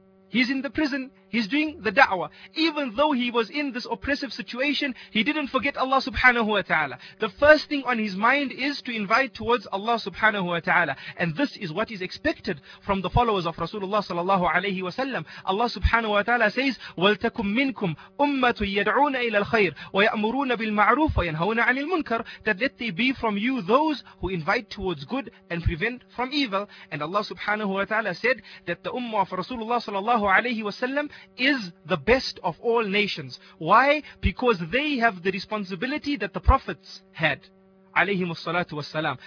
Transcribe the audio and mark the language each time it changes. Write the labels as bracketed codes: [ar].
[en] He's in the prison, he's doing the da'wah. Even though he was in this oppressive situation, he didn't forget Allah subhanahu wa ta'ala. The first thing on his mind is to invite towards Allah subhanahu wa ta'ala. And this is what is expected from the followers of Rasulullah sallallahu alayhi wa sallam. Allah subhanahu wa ta'ala says, [ar] وَلْتَكُمْ مِنْكُمْ أُمَّةٌ يَدْعُونَ إِلَى الْخَيْرِ وَيَأْمُرُونَ بِالْمَعْرُوفِ وَيَنْهَوْنَ عَنِ الْمُنْكَرِ. [en] That let they be from you those who invite towards good and prevent from evil. And Allah subhanahu wa ta'ala said that the ummah of Rasulullah sallallahu alayhi wa sallam is the best of all nations. Why? Because they have the responsibility that the prophets had, alayhim as-salatu was-salam.